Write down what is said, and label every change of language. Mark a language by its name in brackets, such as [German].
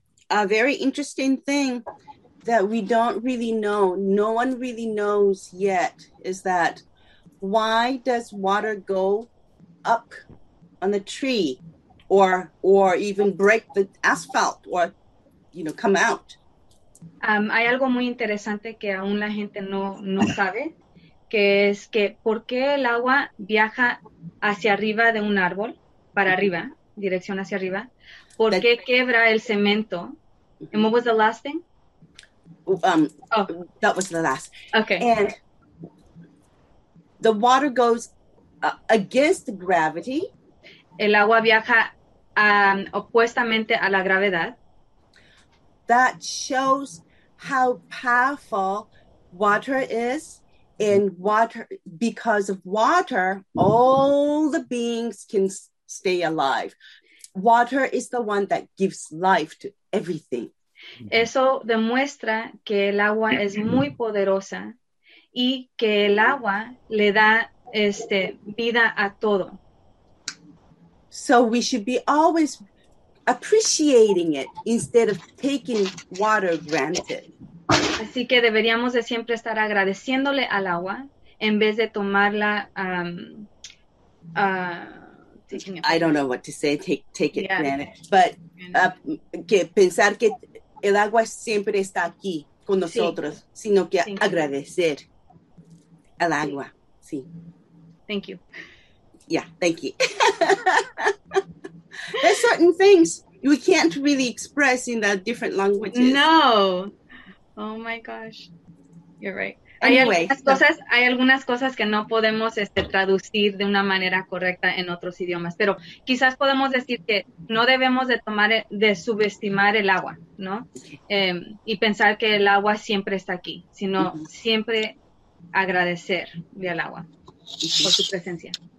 [English] A very interesting thing that we don't really know, no one really knows yet, is that why does water go up on the tree or even break the asphalt or, you know, come out. [Spanish] Hay algo muy interesante que aún la gente no sabe, que es que por qué el agua viaja hacia arriba de un árbol, para arriba, dirección hacia arriba, por qué quebra el cemento. [English] And what was the last thing? That was the last. Okay. And the water goes against gravity. [Spanish] El agua viaja opuestamente a la gravedad. [English] That shows how powerful water is, and water, because of water, all the beings can stay alive. Water is the one that gives life to everything. [Spanish] Eso demuestra que el agua es muy poderosa y que el agua le da vida a todo. [English] So we should be always appreciating it instead of taking water granted. [Spanish] Así que deberíamos de siempre estar agradeciéndole al agua en vez de tomarla. [English] I don't know what to say. Take it granted, but [Spanish] que pensar que el agua siempre está aquí con nosotros, sí. Sino que sí. Agradecer al agua. Sí. [English] Thank you. Yeah, thank you. There's certain things we can't really express in the different languages. No. Oh my gosh. You're right. Anyway, [Spanish] hay algunas cosas que no podemos traducir de una manera correcta en otros idiomas, pero quizás podemos decir que no debemos de subestimar el agua, ¿no? Y pensar que el agua siempre está aquí, sino siempre agradecer al agua por su presencia.